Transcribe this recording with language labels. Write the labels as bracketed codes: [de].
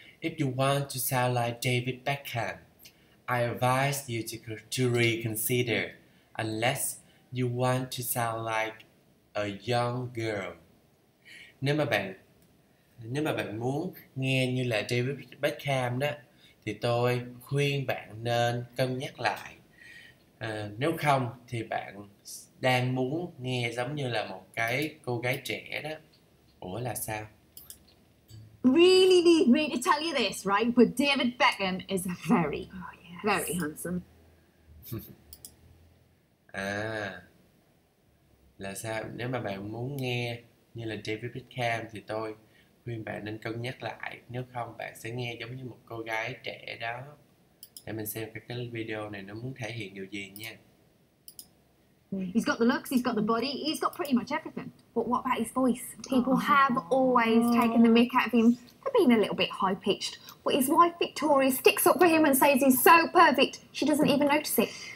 [en] If you want to sound like David Beckham, I advise you to reconsider, unless you want to sound like a young girl. [vi] Nếu mà bạn muốn nghe như là David Beckham đó, thì tôi khuyên bạn nên cân nhắc lại. Nếu không thì bạn đang muốn nghe giống như là một cái cô gái trẻ đó. Ủa là sao? [en] Really need me to tell you this, right? But David Beckham is very very handsome. [vi] Là sao? Nếu mà bạn muốn nghe như là David Beckham thì tôi khuyên bạn nên cân nhắc lại. Nếu không bạn sẽ nghe giống như một cô gái trẻ đó. Để mình xem cái video này nó muốn thể hiện điều gì nha. [en] He's got the looks, he's got the body, he's got pretty much everything. But what about his voice? People have always taken the mick out of him for being a little bit high-pitched. But his wife Victoria sticks up for him and says he's so perfect, she doesn't even notice it.